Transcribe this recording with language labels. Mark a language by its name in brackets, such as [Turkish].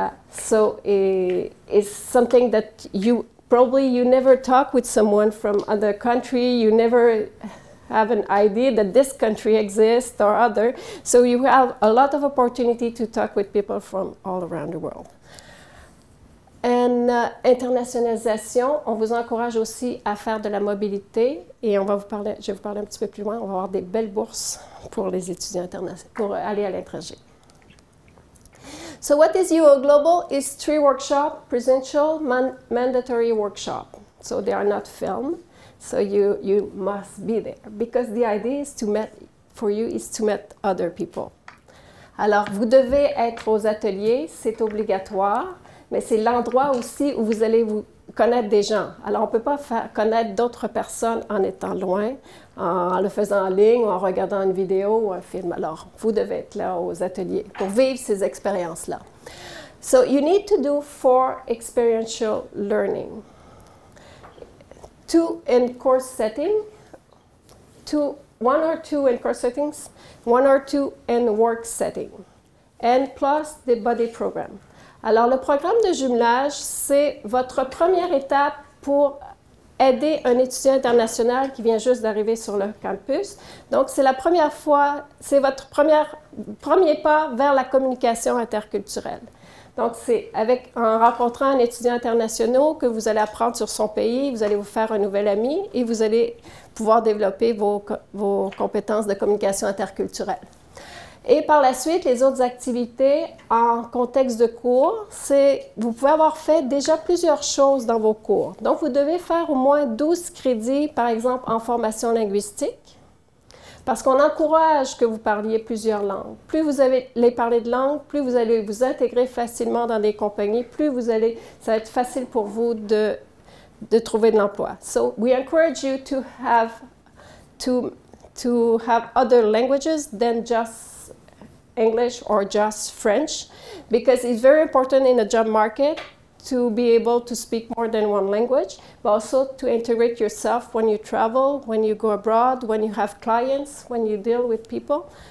[English] So it's something that you never talk with someone from other country. You never have an idea that this country exists or other. So you have a lot of opportunity to talk with people from all around the world. And internationalisation, [French] on vous encourage aussi à faire de la mobilité et je vais vous parler un petit peu plus loin, on va avoir des belles bourses pour les étudiants internationaux, pour aller à l'étranger. [English] So what is uOGlobal? It's three workshops, presential, mandatory workshop. So they are not filmed, so you must be there. Because the idea is to meet other people. [French] Alors, vous devez être aux ateliers, c'est obligatoire. Mais c'est l'endroit aussi où vous allez vous connaître des gens. Alors, on ne peut pas connaître d'autres personnes en étant loin, en le faisant en ligne ou en regardant une vidéo ou un film. Alors, vous devez être là aux ateliers pour vivre ces expériences-là. [English] So, you need to do 4 experiential learning. 2 in course setting, 1 or 2 in course settings, 1 or 2 in work setting, and plus the body program. [French] Alors, le programme de jumelage, c'est votre première étape pour aider un étudiant international qui vient juste d'arriver sur le campus. Donc, c'est la première fois, c'est votre premier pas vers la communication interculturelle. Donc, c'est en rencontrant un étudiant international que vous allez apprendre sur son pays, vous allez vous faire un nouvel ami et vous allez pouvoir développer vos compétences de communication interculturelle. Et par la suite, les autres activités en contexte de cours, c'est vous pouvez avoir fait déjà plusieurs choses dans vos cours. Donc, vous devez faire au moins 12 crédits, par exemple, en formation linguistique, parce qu'on encourage que vous parliez plusieurs langues. Plus vous allez parler de langues, plus vous allez vous intégrer facilement dans des compagnies, plus ça va être facile pour vous de trouver de l'emploi. [English] So, we encourage you to have other languages than just English or just French, because it's very important in the job market to be able to speak more than one language, but also to integrate yourself when you travel, when you go abroad, when you have clients, when you deal with people.